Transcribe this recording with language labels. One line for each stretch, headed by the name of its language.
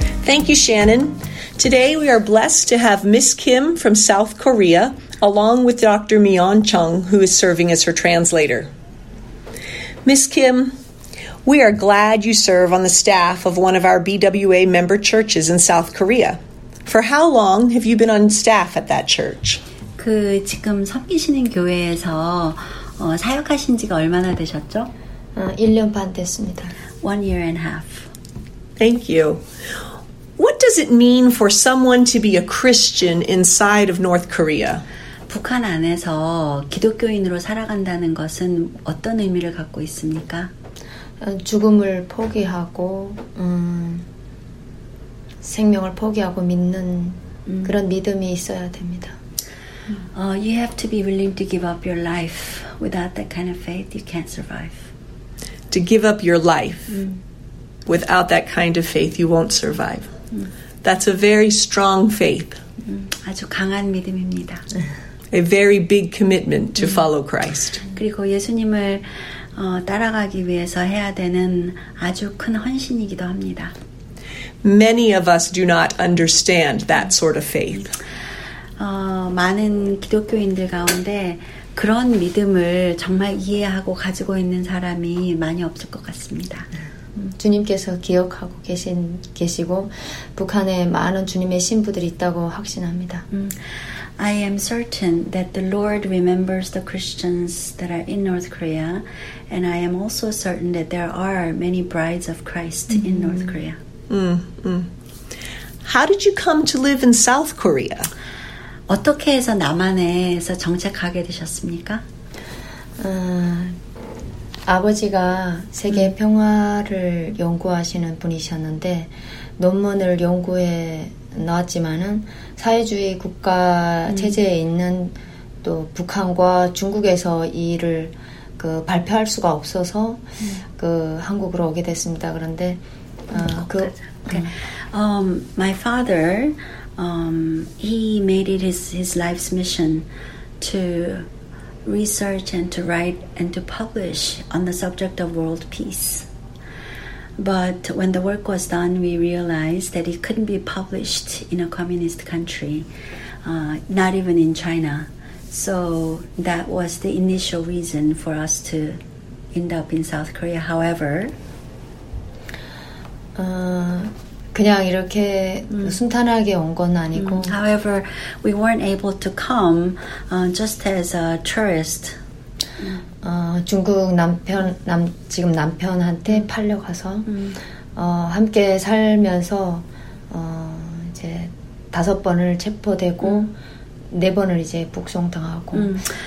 English: Thank you, Shannon. Today we are blessed to have Miss Kim from South Korea, along with Dr. Myeon Chung, who is serving as her translator. Miss Kim, we are glad you serve on the staff of one of our BWA member churches in South Korea. For how long have you been on staff at that church?
Korean: 그 지금 섬기시는 교회에서 사역하신 지가 얼마나 되셨죠? 1년 반 됐습니다.
English: 1 year and a half. Thank you. What does it mean for someone to be a Christian inside of North Korea?
Korean: 북한 안에서 기독교인으로 살아간다는 것은 어떤 의미를 갖고 있습니까? 죽음을 포기하고 생명을 포기하고 믿는 그런 믿음이 있어야 됩니다.
English: You have to be willing to give up your life. Without that kind of faith, you can't survive. To give up your life. Without that kind of faith, you won't survive. That's a very strong faith.
Korean: 아주 강한 믿음입니다.
English: A very big commitment to follow Christ.
Korean: 그리고 예수님을 따라가기 위해서 해야 되는 아주 큰 헌신이기도 합니다.
English: Many of us do not understand that sort of faith.
Korean: 많은 기독교인들 가운데 그런 믿음을 정말 이해하고 가지고 있는 사람이 많이 없을 것 같습니다. 주님께서 기억하고 계시고 북한에 많은 주님의 신부들이 있다고 확신합니다.
English: I am certain that the Lord remembers the Christians that are in North Korea, and I am also certain that there are many brides of Christ in North Korea. How did you come to live in South Korea?
Korean: 어떻게 해서 남한에서 정착하게 되셨습니까? 아버지가 세계 평화를 연구하시는 분이셨는데 논문을 연구해 놨지만은 사회주의 국가 체제에 있는 또 북한과 중국에서 이 일을 그 발표할 수가 없어서 그 한국으로 오게 됐습니다. 그런데
English: My father, he made it his life's mission to research and to write and to publish on the subject of world peace. But when the work was done, we realized that it couldn't be published in a communist country, not even in China. So that was the initial reason for us to end up in South Korea. However,
Korean: 그냥 이렇게 순탄하게 온 건 아니고.
English: However, we weren't able to come just as a tourist.
Korean: 중국 지금 남편한테 팔려가서 함께 살면서 이제 다섯 번을 체포되고 네 번을 이제 북송당하고.